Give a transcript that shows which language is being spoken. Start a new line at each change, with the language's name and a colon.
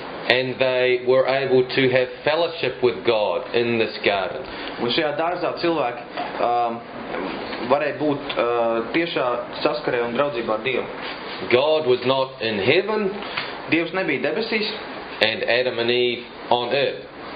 English: And they were able to have fellowship with God in this garden.
Latvian: Un šajā dārzā cilvēki varēja būt tiešā saskarē un draudzībā ar Dievu.
English: God was not in heaven.
Latvian: Dievs nebija debesīs.
English: And Adam and Eve on earth.